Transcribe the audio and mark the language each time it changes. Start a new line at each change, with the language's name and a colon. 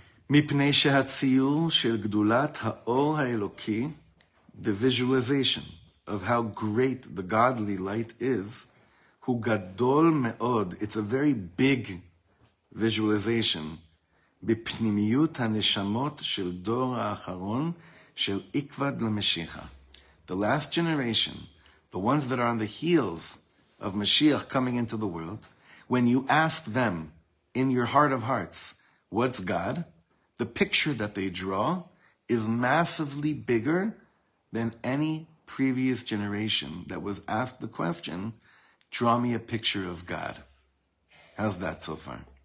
Hebrew: מפני שהציור של גדולת האור האלוקי,
English: the visualization of how great the godly light is,
Hebrew: הוא גדול מאוד.
English: It's a very big visualization.
Hebrew: בפנימיות הנשמות של דור האחרון של עקבד למשיחה.
English: The last generation, the ones that are on the heels of Mashiach coming into the world, when you ask them in your heart of hearts, what's God? The picture that they draw is massively bigger than any previous generation that was asked the question, draw me a picture of God. How's that so far?